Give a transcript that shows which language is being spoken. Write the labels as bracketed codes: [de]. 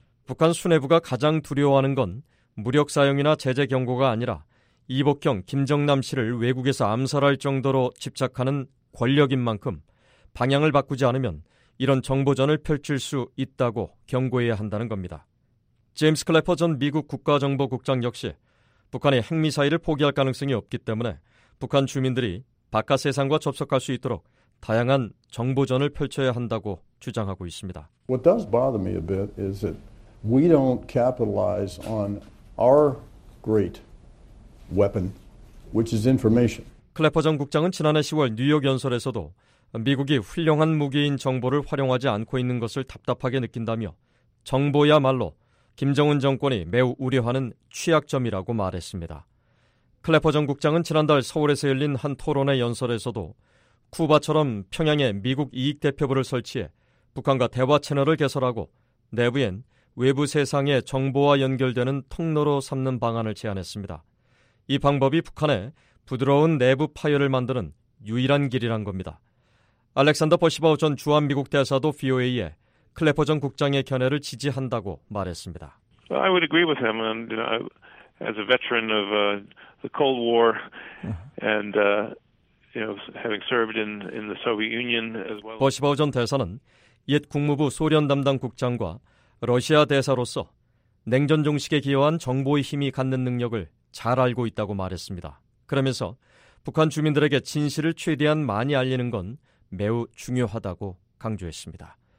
[ko] 북한 수뇌부가 가장 두려워하는 건 무력 사용이나 제재 경고가 아니라 이복형 김정남 씨를 외국에서 암살할 정도로 집착하는 권력인 만큼 방향을 바꾸지 않으면 이런 정보전을 펼칠 수 있다고 경고해야 한다는 겁니다. 제임스 클래퍼 전 미국 국가정보국장 역시 북한의 핵미사일을 포기할 가능성이 없기 때문에 북한 주민들이 바깥 세상과 접속할 수 있도록 다양한 정보전을 펼쳐야 한다고 주장하고 있습니다. [en] What does bother me a bit is that we don't capitalize on our great weapon, which is information. [ko] 클래퍼 전 국장은 지난해 10월 뉴욕 연설에서도 미국이 훌륭한 무기인 정보를 활용하지 않고 있는 것을 답답하게 느낀다며 정보야말로 김정은 정권이 매우 우려하는 취약점이라고 말했습니다. 클래퍼 전 국장은 지난달 서울에서 열린 한 토론회 연설에서도 쿠바처럼 평양에 미국 이익 대표부를 설치해 북한과 대화 채널을 개설하고 내부엔 외부 세상의 정보와 연결되는 통로로 삼는 방안을 제안했습니다. 이 방법이 북한에 부드러운 내부 파열을 만드는 유일한 길이란 겁니다. 알렉산더 버시바우 전 주한미국 대사도 VOA에 클래퍼 전 국장의 견해를 지지한다고 말했습니다. [en] Well, I would agree with him. And, you know, as a veteran of the Cold War and you know, having served in the Soviet Union as well. [ko] 버시바우 전 대사는 옛 국무부 소련 담당 국장과 러시아 대사로서 냉전 종식에 기여한 정보의 힘이 갖는 능력을 잘 알고 있다고 말했습니다. 그러면서 북한 주민들에게 진실을 최대한 많이 알리는 건 매우 중요하다고 강조했습니다.